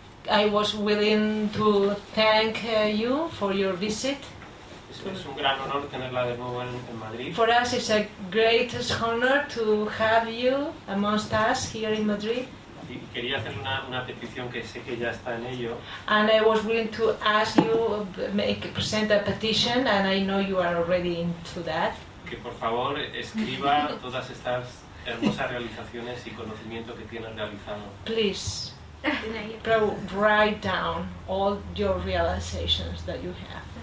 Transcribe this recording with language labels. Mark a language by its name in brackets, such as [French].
[English] I was willing to thank you for your visit. [Spanish] Es un gran honor tenerla de nuevo en Madrid. [English] For us, it's a great honor to have you amongst us here in Madrid. [Spanish] Y quería hacer una petición que sé que ya está en ello. [English] And I was willing to ask you present a petition, and I know you are already into that. [Spanish] Que por favor escriba todas estas hermosas realizaciones y conocimiento que tienes realizado. [English] Please. Write down all your realizations that you have.